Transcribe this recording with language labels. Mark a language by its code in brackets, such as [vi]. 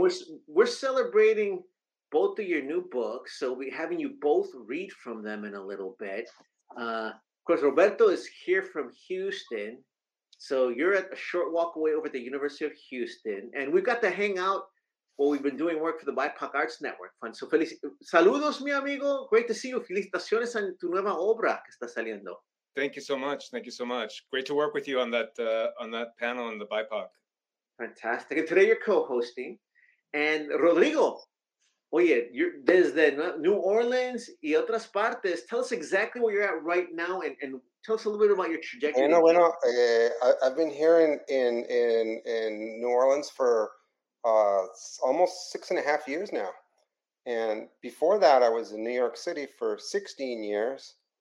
[en] Hey, we're celebrating both of your new books, so we'll be having you both read from them in a little bit. Of course, Roberto is here from Houston, so you're at a short walk away over at the University of Houston, and we've got to hang out while we've been doing work for the BIPOC Arts Network Fund. So, [es] saludos, mi amigo. [en] Great to see you. [es] Felicitaciones en tu nueva obra que está saliendo. [en] Thank you so much. Thank you so much. Great to work with you on that panel on the BIPOC. Fantastic. And today you're co-hosting, and Rodrigo. [es] Oye, [en] you're [es] desde New Orleans y otras partes. [en] Tell us exactly where you're at right now and tell us a little bit about your trajectory. [es] Bueno, [en] I've been here in New Orleans for almost 6.5 years now. And before that, I was in New York City for 16 years.